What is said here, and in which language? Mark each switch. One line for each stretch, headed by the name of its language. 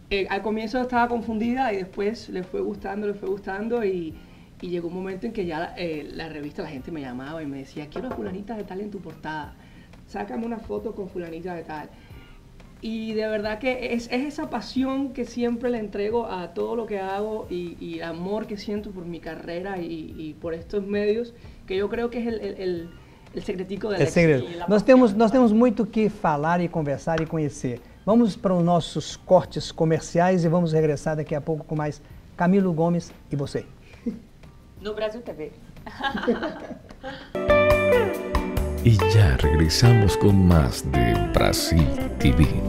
Spanish: al comienzo estaba confundida y después le fue gustando y llegó un momento en que ya la revista, la gente me llamaba y me decía, quiero a fulanita de tal en tu portada. sácame una foto con fulanita de tal. Y de verdad que es esa pasión que siempre le entrego a todo lo que hago y el amor que siento por mi carrera y por estos medios, que yo creo que es el secretico del éxito.
Portuguese: Nós temos muito que falar e conversar e conhecer. Vamos para os nossos cortes comerciais e vamos regressar daqui a pouco com mais Camilo Gomes e você. No Brasil TV.
Spanish: Y ya regresamos con más de Brasil TV.